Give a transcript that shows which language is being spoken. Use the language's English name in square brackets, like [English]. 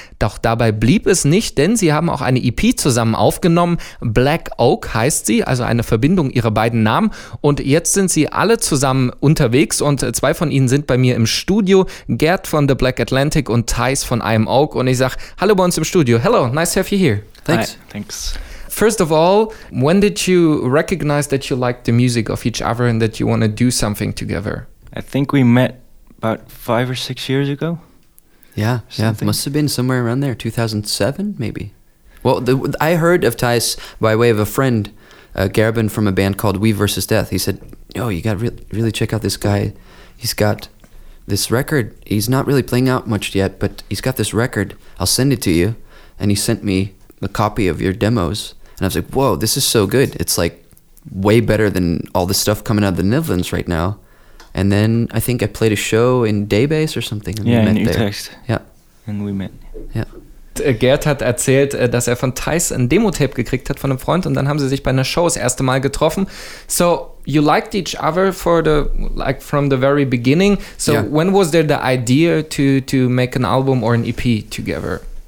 [German] Doch dabei blieb es nicht, denn sie haben auch eine EP zusammen aufgenommen. Black Oak heißt sie, also eine Verbindung ihrer beiden Namen. Und jetzt sind sie alle zusammen unterwegs und zwei von ihnen sind bei mir im Studio. Gerd von The Black Atlantic und Thijs von I Am Oak. Und ich sag, hallo bei uns im Studio. [English] Hello, nice to have you here. Thanks. Hi. Thanks. First of all, when did you recognize that you liked the music of each other and that you want to do something together? I think we met about 5 or 6 years ago. Yeah, something. Yeah, must have been somewhere around there, 2007 maybe. Well, I heard of Thijs by way of a friend, Garabin from a band called We Versus Death. He said, "Oh, you got to really check out this guy. He's got this record. He's not really playing out much yet, but he's got this record. I'll send it to you." And he sent me a copy of your demos, and I was like, "Whoa, this is so good. It's like way better than all the stuff coming out of the Netherlands right now." And then I think I played a show in Daybase or something. And yeah, we met in Utrecht. Yeah. And we met. Yeah. [German] Gerd hat erzählt, dass von Thijs ein Demo-Tape gekriegt hat von einem Freund und dann haben sie sich bei einer Show das erste Mal getroffen. [English] So you liked each other from the very beginning. So yeah. When was there the idea to make an album or an EP together?